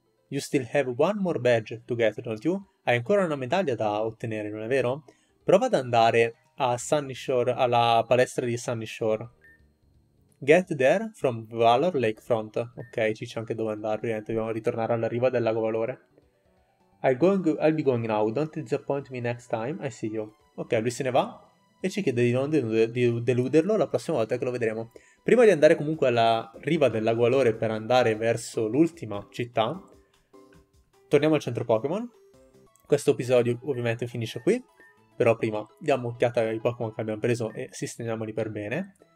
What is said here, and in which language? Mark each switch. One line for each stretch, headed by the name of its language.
English: You still have one more badge to get, don't you?
Italian: Hai ancora una medaglia da ottenere, non è vero? Prova ad andare a Sunny Shore, alla palestra di Sunny Shore.
English: Get there from Valor Lakefront.
Italian: Ok, ci c'è anche dove andare, ovviamente dobbiamo ritornare alla riva del lago Valore.
English: I'll be going now, don't disappoint me next time, I see you.
Italian: Ok, lui se ne va e ci chiede di non deluderlo la prossima volta che lo vedremo. Prima di andare comunque alla riva del lago Alore per andare verso l'ultima città, torniamo al centro Pokémon. Questo episodio ovviamente finisce qui, però prima diamo un'occhiata ai Pokémon che abbiamo preso e sistemiamoli per bene.